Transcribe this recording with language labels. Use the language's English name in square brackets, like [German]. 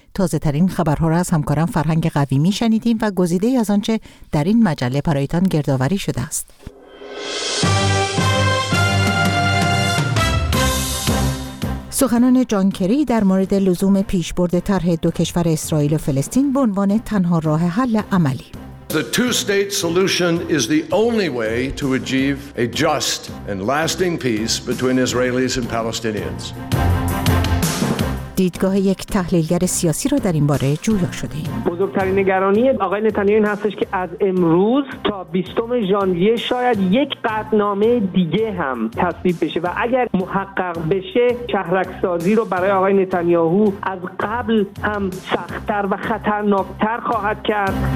[Persian] تازه ترین خبرها را از همکارم فرهنگ قویمی شنیدیم و گزیده از آنچه در این مجله برایتان گردآوری شده است. سخنان جان کری در مورد لزوم پیشبرد طرح دو کشور اسرائیل و فلسطین به عنوان تنها راه حل عملی. [English] The two-state solution is the only way to achieve a just and lasting peace between Israelis and Palestinians. [Persian] دیدگاه یک تحلیلگر سیاسی را در این باره جویا شده ایم. بزرگترین نگرانی آقای نتانیاهو این هستش که از امروز تا 20 ژانویه شاید یک قطعنامه دیگه هم تصویب بشه و اگر محقق بشه شهرک‌سازی رو برای آقای نتانیاهو از قبل هم سخت‌تر و خطرناک‌تر خواهد کرد.